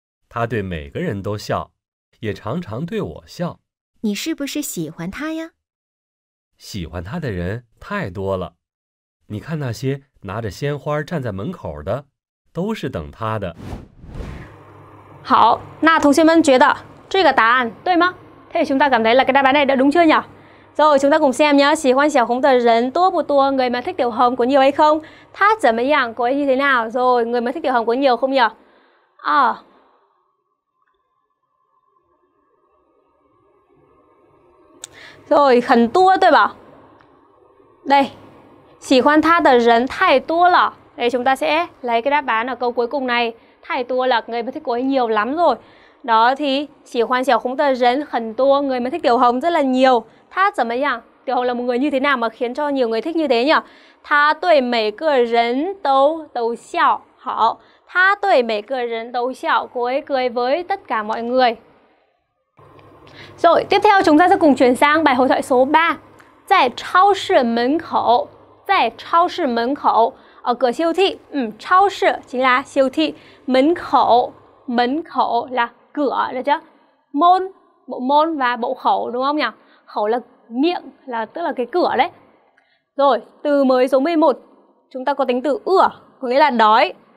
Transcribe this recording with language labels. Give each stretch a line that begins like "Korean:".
Chinese: 他对每个人都笑，也常常对我笑。你是不是喜欢他呀？喜欢他的人太多了。你看那些拿着鲜花站在门口的，都是等他的。好，那同学们觉得这个答案对吗？
Vietnamese: Thế chúng ta cảm thấy là cái đáp án này đã đúng chưa nhỉ? Rồi chúng ta cùng xem nhé,
Chinese: 喜欢小红的人多不多,
Vietnamese: người mà thích tiểu hồng có nhiều hay không?
Chinese: Tha zhe me yang,
Vietnamese: cô ấy như thế nào? Rồi người mà thích tiểu hồng có nhiều không nhỉ? À. Rồi, hẳn tua, đúng không?
Chinese: Đây, 喜欢他的人太多了.
Vietnamese: Đây chúng ta sẽ lấy cái đáp án ở câu cuối cùng này.
Chinese: 太多了,
Vietnamese: người mà thích cô ấy nhiều lắm rồi. Đó thì,
Chinese: 喜欢小红的人很多,
Vietnamese: người mà thích tiểu hồng rất là nhiều.
Chinese: 他怎么样？
Vietnamese: 刘红là một người như thế nào mà khiến cho nhiều người thích như thế nhỉ?
Chinese: 他对每个人都笑。好，他对每个人都笑。
Vietnamese: Cô ấy cười với tất cả mọi người. Rồi tiếp theo chúng ta sẽ cùng chuyển sang bài hội thoại số 3.
Chinese: 在超市门口，在超市门口，
Vietnamese: ở cửa siêu thị. 嗯，超市 chính là siêu thị. 门口 là cửa là chứ. Môn bộ môn và bộ khẩu đúng không nhỉ? Khẩu là miệng, là tức là cái cửa đấy. Rồi, từ mới số 11, chúng ta có tính từ ửa, có nghĩa là đói.